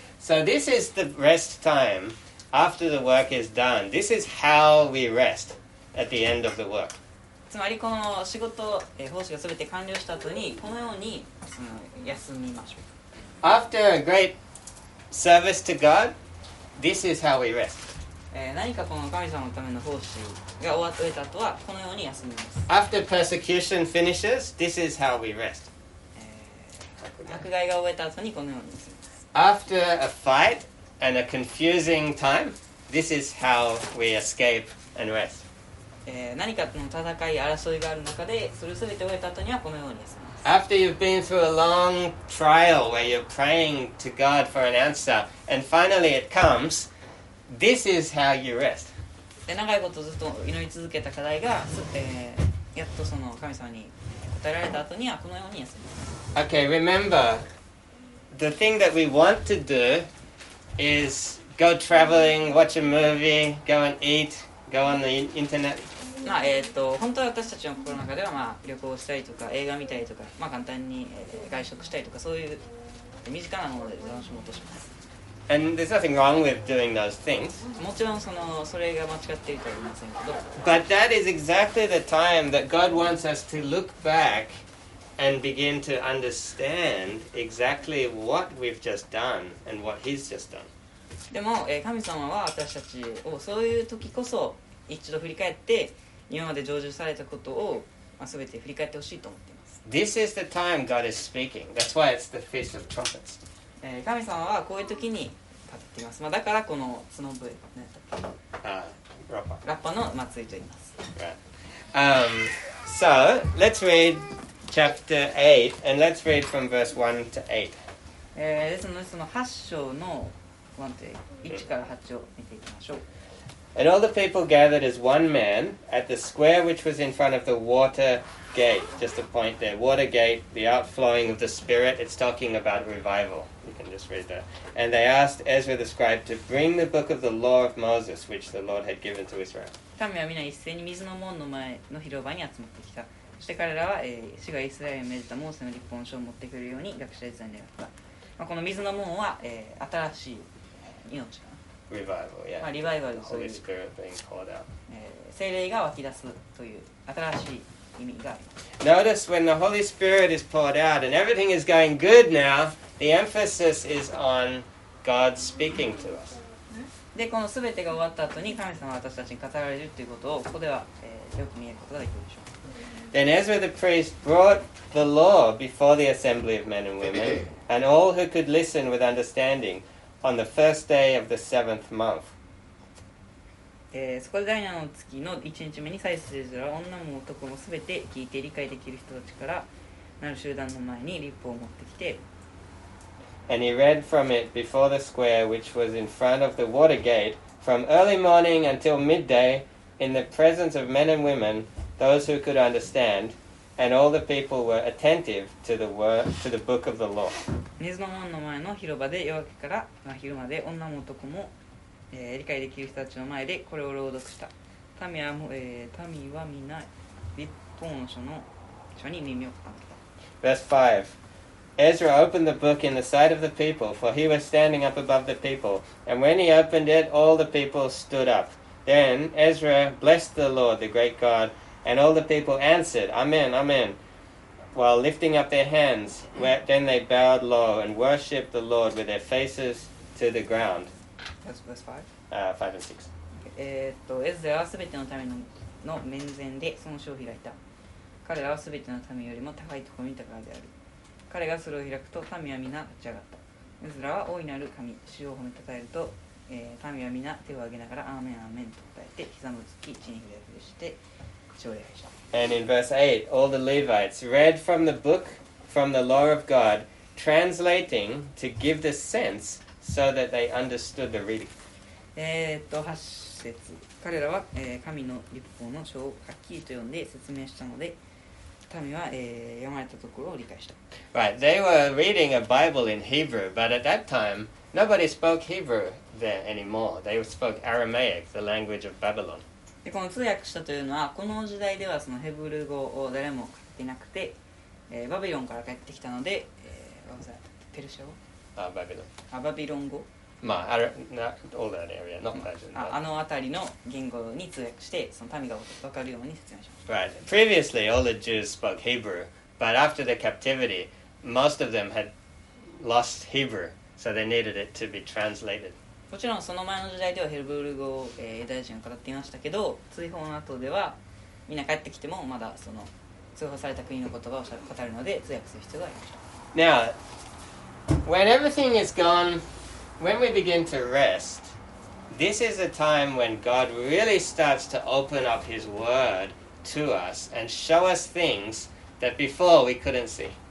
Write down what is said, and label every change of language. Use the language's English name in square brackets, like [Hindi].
[English] So this is the rest time after the work is done. This is how we rest at the end of the work. [Japanese] つまりこの仕事、奉仕がすべて完了した後に、このように、休みましょう。 [English] After a great service to God, this is how we rest. [Japanese] 何かこの神様のための奉仕が終わった後は、このように休みます。 [English] After persecution finishes, this is how we rest. [Japanese] 迫害が終えた後にこのように休みます。 [English] After a fight and a confusing time, this is how we escape and rest. [Japanese] 何かの戦い、争いがある中で、それすべて終えた後にはこのように休みます。 [English] After you've been through a long trial where you're praying to God for an answer, and finally it comes, this is how you rest. [Japanese] 長いことずっと祈り続けた課題が、やっとその神様に答えられた後にはこのように休みます。 [English] Okay, remember... The thing that we want to do is go traveling, watch a movie, go and eat, go on the internet. [Japanese] まあ本当は私たちの心の中ではまあ旅行したりとか映画見たりとかまあ簡単に、外食したりとかそういう身近なもので楽しもうとします。 [English] And there's nothing wrong with doing those things. [Japanese] もちろんそのそれが間違っているとは言いませんけど。 [English] But that is exactly the time that God wants us to look back. And begin to understand exactly what we've just done and what He's just done. [Japanese] でも、神様は私たちをそういう時こそ一度振り返って今まで成就されたことを、まあ、全て振り返ってほしいと思っています。 [English] This is the time God is speaking. That's why it's the Feast of Trumpets. [Japanese] 神様はこういう時に語っています。まあ、だからこの角笛、ね、ラッパの祭りと言います。 [English] Right. So, let's readChapter 8, and let's read from verse 1 to 8. [Japanese] ですので、その8章の1から8を見ていきましょう。 [English] And all the people gathered as one man at the square which was in front of the water gate. Just a point there. Water gate, the outflowing of the Spirit. It's talking about revival. You can just read that. And they asked Ezra the scribe to bring the book of the law of Moses, which the Lord had given to Israel. [Japanese] 民は皆一斉に水の門の前の広場に集まってきた。そして彼らは、主がイスラエルに命じたモーセの律法書を持ってくるように学者エズラに願った、まあ、この水の門は、新しい命かな [English] Revival, yeah. [Japanese] まあリバイバルそういう [English] Holy Spirit being called out. [Japanese] 聖霊が湧き出すという新しい意味があります [English] Notice when the Holy Spirit is poured out and everything is going good now the emphasis is on God speaking to us [Japanese] でこの全てが終わった後に神様は私たちに語られるということをここでは、よく見えることができるでしょう [English] Then Ezra the priest brought the law before the assembly of men and women, and all who could listen with understanding, on the first day of the seventh month. [Japanese] そこで第7の月の1日目に祭司エズラは女も男もすべて聞いて理解できる人たちからなる集団の前に律法を持ってきて。 [English] And he read from it before the square which was in front of the water gate, from early morning until midday, in the presence of men and women,Those who could understand, and all the people were attentive to the word, to the book of the law. [Japanese] 水の門の前の広場で夜明けから昼まで女も男も、理解できる人たちの前でこれを朗読した。民は皆、立法の書の書に耳を傾けた。 [English] Verse 5. Ezra opened the book in the sight of the people, for he was standing up above the people. And when he opened it, all the people stood up. Then Ezra blessed the Lord, the great God. And all the people answered, Amen, Amen, while lifting up their hands. Then they bowed low and worshipped the Lord with their faces to the ground. That's verse 5? 5 and 6. Ezra was all for the people's men's end, [Japanese] その書を開いた。彼らは全ての民よりも高いところにいたからである。彼がそれを開くと、民は皆立ち上がった。ウズラは大いなる神、主を褒めたたえると、民は皆手を挙げながらアーメンアーメンと答えて、膝のつき、地に触れして、口を礼拝した。 [English] And in verse 8, all the Levites read from the book, from the law of God, translating to give the sense so that they understood the reading. [Japanese] 8節。彼らは、神の律法の書をはっきりと読んで説明したので、民は、読まれたところを理解した。 [English] Right, they were reading a Bible in Hebrew, but at that time, nobody spoke Hebrew there anymore. They spoke Aramaic, the language of Babylon. [Japanese] で、この通訳したというのは、この時代ではそのヘブル語を誰も書いていなくて、バビロンから帰ってきたので、ペルシャ語？バビロン。バビロン語？ [English] まあ、all that area, not Persian. [Japanese] あの辺りの言語に通訳して、その民が分かるように説明しました。 [English] Right. Previously, all the Jews spoke Hebrew, but after the captivity, most of them had lost Hebrew, so they needed it to be translated. [Japanese] もちろんその前の時代ではヘブル語を、ユダヤ人が語っていましたけど、追放の後ではみんな帰ってきてもまだその追放された国の言葉を語るので通訳する必要がありました。 [English] Now, when everything is gone,When we begin to rest, this is a time when God really starts to open up His Word to us and show us things that before we couldn't see.